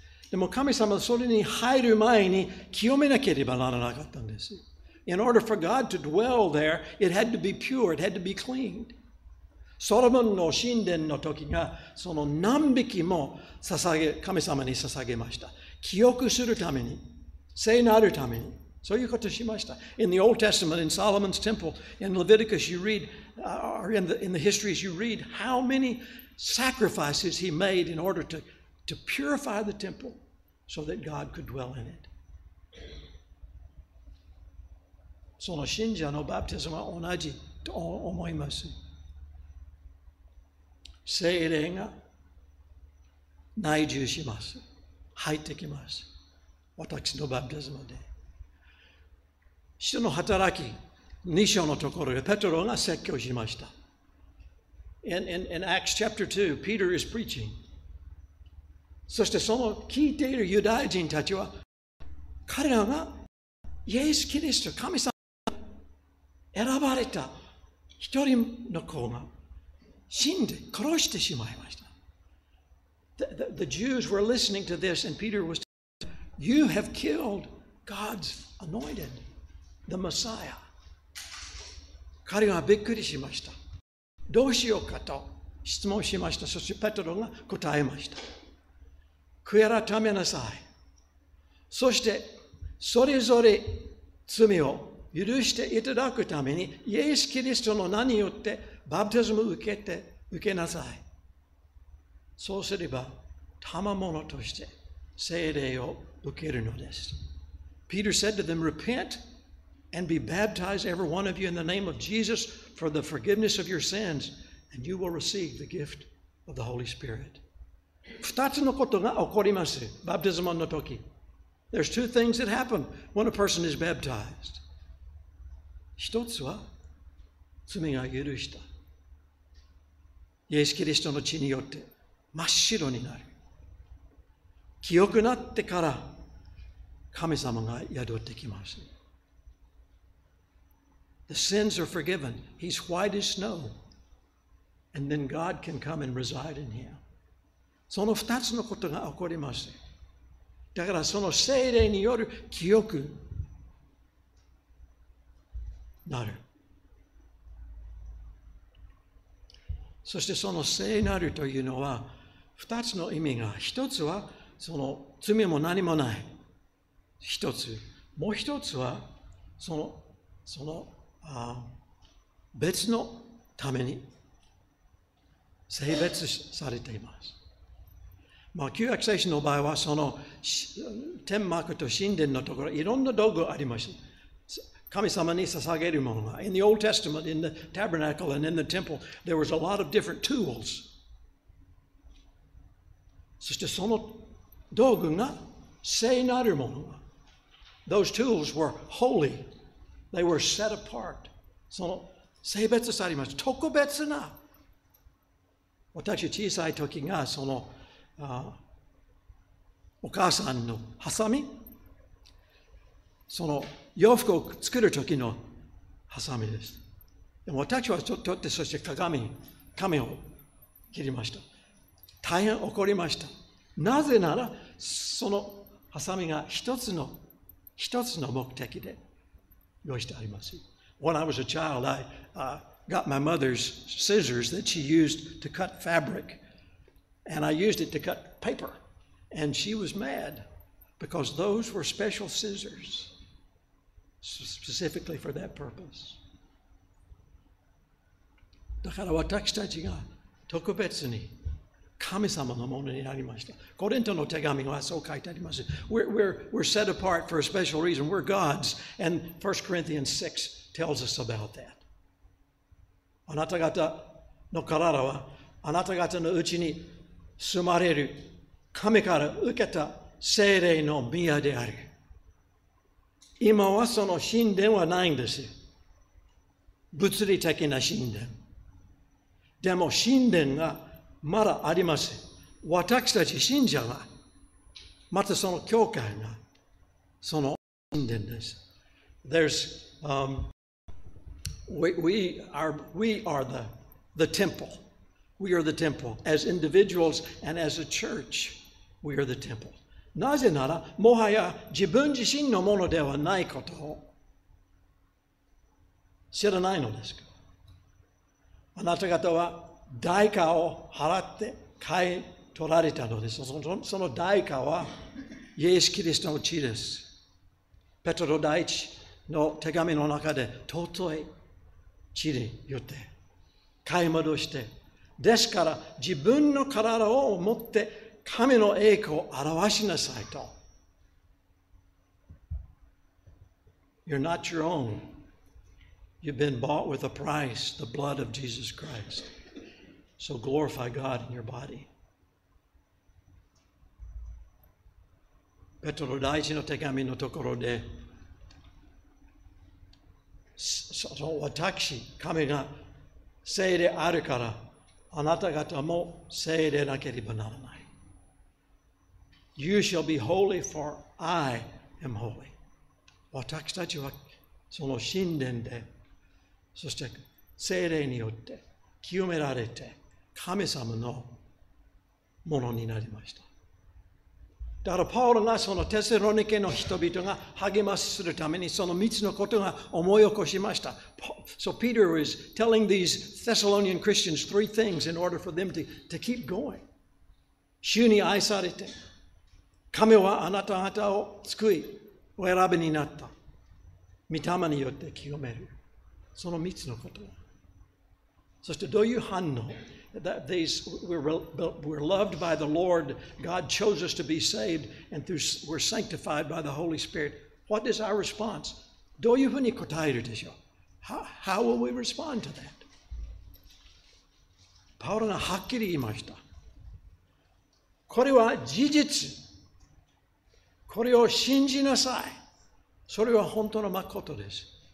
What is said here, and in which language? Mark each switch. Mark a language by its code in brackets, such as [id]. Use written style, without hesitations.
[ja] でも神様はそれに入る前に清めなければならなかったんです。 [en] In order for God to dwell there, it had to be pure, it had to be cleaned. [ja] ソロモンの神殿の時がその何匹も捧げ神様に捧げました。清くするために、聖なるために、そういうことをしました。 [en] In the Old Testament, in Solomon's Temple, in Leviticus, you read, or in the histories, you read how many sacrifices he made in order to purify the temple so that God could dwell in it. [ja] その信者のバプテスマは同じと思います。聖霊が内住します。入ってきます。私のバプテスマで。使徒の働き、2章のところでペトロが説教しました。 [en] In Acts chapter 2, Peter is preaching. [ja] そしてその聞いているユダヤ人たちは、彼らがイエス・キリスト、神様が選ばれた一人の子が、死んで殺してしまいました。 [en] The Jews were listening to this, and Peter was told, You have killed God's anointed, the Messiah. [ja] 彼はびっくりしました。どうしようかと質問しました。そしてペトロが答えました。悔い改めなさい。そして、それぞれ罪を許していただくために、イエス・キリストの名によってバプテスムを受けなさい。そうすれば、賜物として聖霊を受けるのです。 [en] Peter said to them, Repent and be baptized, every one of you, in the name of Jesus for the forgiveness of your sins, and you will receive the gift of the Holy Spirit. [ja] 二つのことが起こります、バプテスマの時。 [en] There's two things that happen when a person is baptized. [ja] 一つは、罪が許した。イエス・キリストの血によって真っ白になる。清くなってから神様が宿ってきます。 [en] The sins are forgiven. He's white as snow. And then God can come and reside in him. [ja] その二つのことが起こります。だからその聖霊による清くなる。そしてその聖なるというのは二つの意味が、一つはその罪も何もない一つ、もう一つはその別のために性別されています。まあ旧約聖書の場合はその天幕と神殿のところいろんな道具がありました。神様に捧げるものが。 [en] In the Old Testament, in the tabernacle and in the temple, there was a lot of different tools. [ja] そしてその道具が聖なるものが。 [en] Those tools were holy. They were set apart. [ja] その性別されます。特別な。私小さい時がそのお母さんのハサミ。その洋服を作る時のハサミです。でも私は取って、そして鏡、髪を切りました。大変怒りました。なぜなら、そのハサミが一つの目的で用意してあります。 [en] When I was a child, I got my mother's scissors that she used to cut fabric, and I used it to cut paper, and she was mad because those were special scissors specifically for that purpose. [ja] だから私たちが特別に神様のものになりました。コリントの手紙はそう書いてあります。 [en] We're set apart for a special reason. We're God's. And 1 Corinthians 6 tells us about that. [ja] あなた方の体はあなた方のうちに住まれる神から受けた聖霊の宮である。今はその神殿はないんですよ。物理的な神殿。でも神殿がまだあります。私たち信者は、またその教会が、その神殿です。 [en] There's, we are the temple. We are the temple. As individuals and as a church, we are the temple. [ja] なぜなら、もはや自分自身のものではないことを知らないのですか。あなた方は、代価を払って買い取られたのです。その代価はイエス・キリストの血です。ペトロ第一の手紙の中で尊い血によって買い戻して、ですから自分の体を持って神の栄光を表しなさいと。 [en] You're not your own. You've been bought with a price, the blood of Jesus Christ. So glorify God in your body. [ja] ペトロ第一の手紙のところで、私、神が聖であるから、あなた方も聖でなければならない。 [en] You shall be holy for I am holy. [ja] 私たちはその神殿で、そして聖霊によって清められて、神様のものになりました。だからパウロがそのテサロニケの人々が励ますするためにその3つのことが思い起こしました。 [en] So Peter is telling these Thessalonian Christians three things in order for them to keep going. [ja] 主に愛されて、神はあなた方を救い、お選びになった。御霊によって清める。その3つのこと。そしてどういう反応 [en] That these we're loved by the Lord. God chose us to be saved, and through we're sanctified by the Holy Spirit. What is our response? [ja] どういうふうに答えるでしょう? [en] How will we respond to that? [ja] パウロがはっきり言いました。これは事実。これを信じなさい。それは本当のまことです。